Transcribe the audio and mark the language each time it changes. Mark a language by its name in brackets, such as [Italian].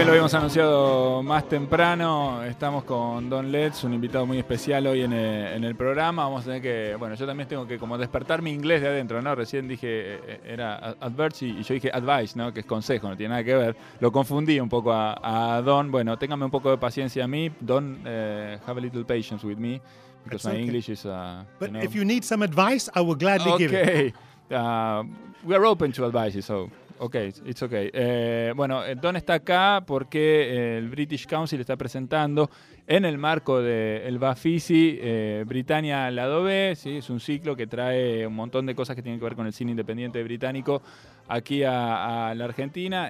[Spanish] Anunciado más temprano, estamos con Don Letts, un invitado muy especial hoy en el programa. Vamos a tener que, bueno, yo también tengo que como despertar mi inglés de adentro, ¿no? Recién dije, era adverse y yo dije advice, ¿no? Que es consejo, no tiene nada que ver. Lo confundí un poco a Don. Bueno, téngame un poco de paciencia a mí. [English] Don, have a little patience with me, because my English is... But if you need some advice, I will gladly give it. Okay, we are open to advice, so... Okay, it's okay. [Spanish] Bueno, Don está acá porque el British Council está presentando en el marco del Bafisi, Britannia Lado B, ¿sí? Es un ciclo que trae un montón de cosas que tienen que ver con el cine independiente británico aquí a la Argentina.